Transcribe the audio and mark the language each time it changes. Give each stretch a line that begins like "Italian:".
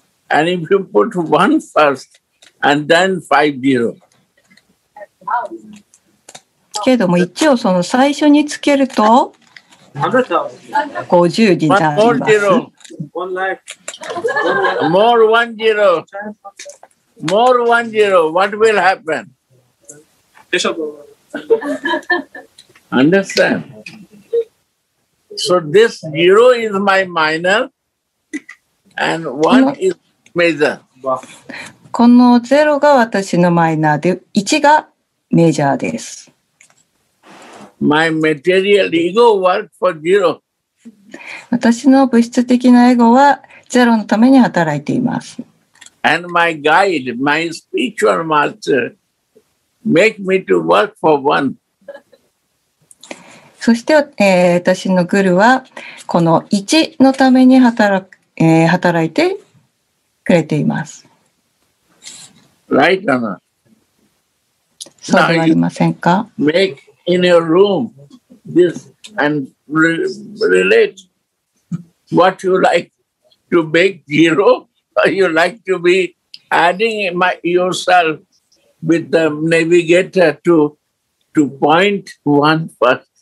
English: And if you put one first and then 50.
Japanese: けども一応その最初につけると50になります。
English: One more zero. One life. More one zero. More one zero. What will happen? Understand? So this zero is my minor and one is major.
Japanese: このゼロが私のマイナーで、1がメジャーです。
English: My material ego works for zero.
Japanese: 私の物質的なエゴはゼロのために働いています。
English: And my guide, my spiritual master, make me to work for one.
Japanese: そして、私のグルはこの1のために働いてくれています。
English: Right or not?
Japanese: そうではありませんか?
English: Now you make in your room this and relate what you like to make zero or you like to be adding yourself with the navigator to point one first.